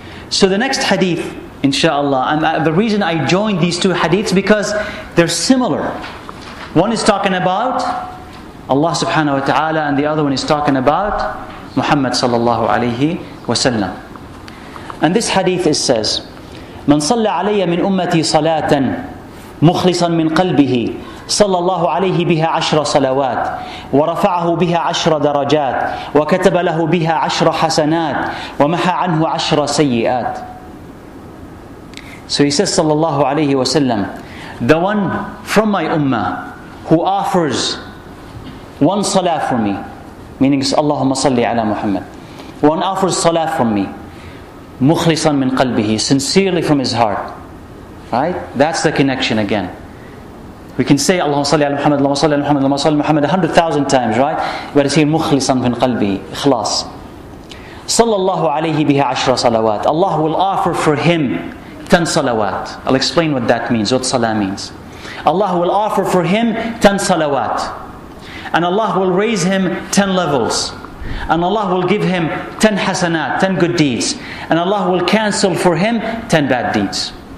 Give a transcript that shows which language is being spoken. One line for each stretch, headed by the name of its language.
English: So the next hadith, inshaAllah, and the reason I joined these two hadiths, because they're similar. One is talking about Allah subhanahu wa ta'ala, and the other one is talking about Muhammad sallallahu alayhi wa sallam. And this hadith says,
Arabic: من صلى علي من أمتي صلاة مخلصا من قلبه صلى الله عليه بها عشر صلوات ورفعه بها عشر درجات وكتب له بها عشر حسنات ومحى عنه عشر سيئات.
English: So he says صلى الله عليه وسلم, the one from my ummah who offers one salah for me, meaning
Arabic: اللهم صل على محمد,
English: one offers salah from me,
Arabic: مُخْلِصًا مِنْ قَلْبِهِ,
English: sincerely from his heart. Right? That's the connection again. We can say
Arabic: اللهم صلي على محمد, اللهم صلي على محمد, اللهم صلي على محمد
English: 100,000 times, right? But it's here
Arabic: مُخْلِصًا مِنْ قَلْبِهِ, إخلاص. صلى الله عليه بها عشر صلوات.
English: Allah will offer for him 10 salawat. I'll explain what that means, what salah means. Allah will offer for him 10 salawat. And Allah will raise him 10 levels. And Allah will give him 10 hasanat, 10 good deeds. And Allah will cancel for him 10 bad deeds.